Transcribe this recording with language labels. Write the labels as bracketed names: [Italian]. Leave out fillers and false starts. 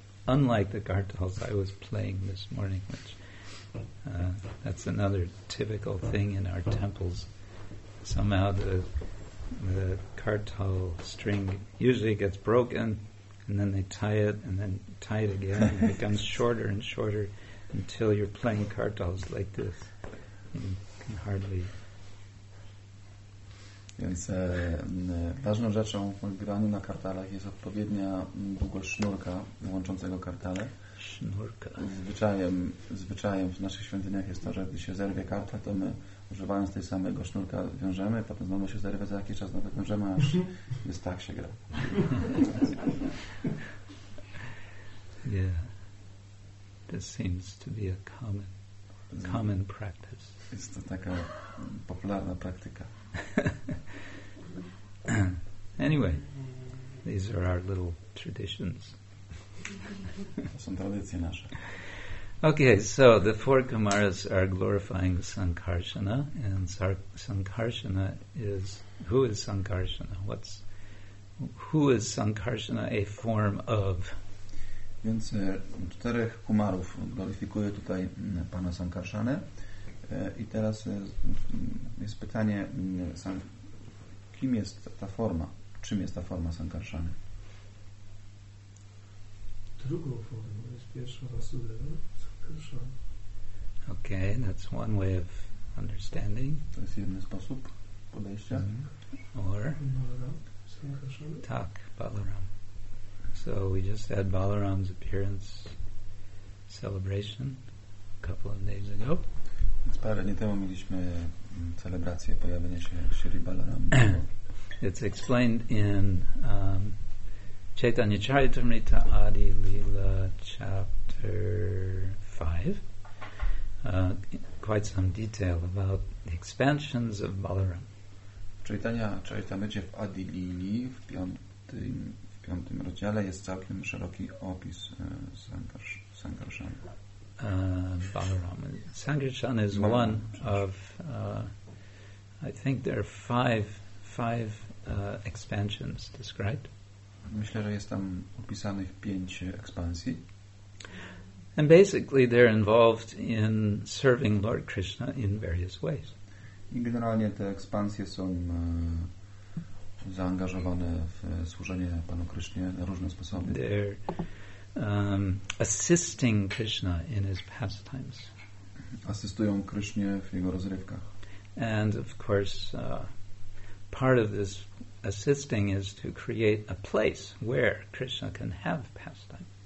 [English] Unlike the kartals I was playing this morning, which that's another typical thing in our temples. Somehow the kartal string usually gets broken, and then they tie it, and then tie it again, and it becomes shorter and shorter until you're playing kartals like this. You can hardly... [Polish] Więc ważną rzeczą w graniu na kartalach jest odpowiednia długość sznurka łączącego kartale. Sznurka. Zwyczajem w naszych świątyniach jest to, że gdy się zerwie kartal, to my używając tej samego sznurka wiążemy, potem znowu się zerwie, za jakiś czas nawet wiążemy, aż jest tak się gra. [English] Yeah. This seems to be a common practice. [Polish] Jest to taka popularna praktyka. [English] Anyway, these are our little traditions. [Polish] To są tradycje nasze. [English] Okay, so the four Kumaras are glorifying Sankarsana, and Sankarsana is, who is Sankarsana? Who is Sankarsana a form of? [Polish] Więc czterech Kumarów gloryfikuje tutaj Pana Sankarsanę. I teraz jest pytanie, kim jest ta forma? Czym jest ta forma Sankarsany? Drugą formą jest pierwsza Vasudeva Sankarsana. [English] Okay, that's one way of understanding. [Polish] To jest jeden sposób podejścia. [English] Or? Balaram Sankarsana. [Polish] Tak, Balaram. [English] So we just had Balaram's appearance celebration a couple of days ago. [Polish] Parę dni temu mieliśmy celebrację pojawienia się Śri Balaram. [English] It's explained in Chaitanya Charitamrita Adi Lila chapter 5 quite some detail about the expansions of Balaram. [Polish] Chaitanya Charitamrita w Adi Lili w piątym rozdziale jest całkiem szeroki opis Sankarsana. [English] Balaram. Sankarsana is one of I think there are five expansions described. [Polish] Myślę, że jest tam opisanych pięć ekspansji. [English] And basically they're involved in serving Lord Krishna in various ways. [Polish] I generalnie te ekspansje są zaangażowane w służenie Panu Krishnie na różne sposoby. [English] They're assisting Krishna in his pastimes. [Polish] Asystują Krishnie w jego rozrywkach. [English] And of course part of this assisting is to create a place where Krishna can have pastime.